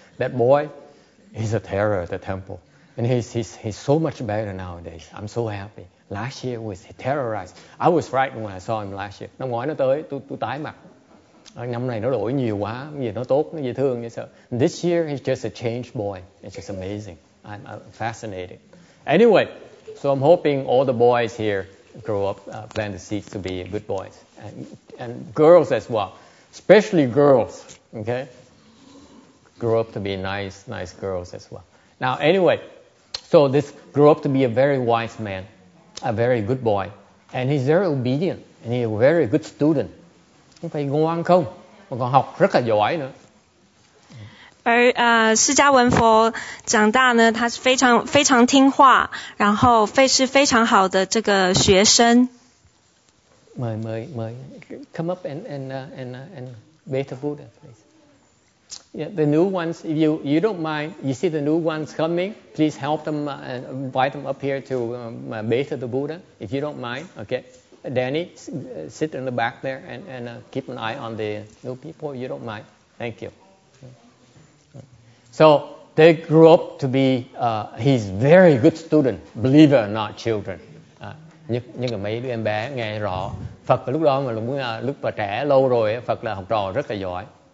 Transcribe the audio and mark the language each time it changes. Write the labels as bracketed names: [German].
[English] That boy is a terror at the temple and he's so much better nowadays. I'm so happy. Last year was terrorized. I was frightened when I saw him last year. [Vietnamese] Năm ngoái nó tới, tôi tái mặt. Năm nay nó đổi nhiều quá, gì nó tốt, nó dễ thương, dễ sợ. [English] And this year he's just a changed boy. It's just amazing. I'm fascinated. Anyway, so I'm hoping all the boys here grow up, plant the seeds to be good boys and girls as well, especially girls. Okay, grow up to be nice girls as well. Now, anyway, so this grew up to be a very wise man. A very good boy, and he's very obedient, and he's a very good student. [Vietnamese] Không phải ngoan không, mà còn học rất là giỏi nữa. [Chinese] 而释迦文佛长大呢，他是非常非常听话，然后是非常好的这个学生。 [English] My, come up and bait the Buddha, please. Yeah, the new ones, if you don't mind, you see the new ones coming. Please help them and invite them up here to bait the Buddha, if you don't mind. Okay, Danny, sit in the back there and keep an eye on the new people, if you don't mind. Thank you. So they grew up to be he's very good student, believe it or not, children. [Vietnamese] Nhưng mấy đứa em bé nghe rõ Phật lúc đó mà lúc mà trẻ lâu rồi Phật là học trò rất là giỏi.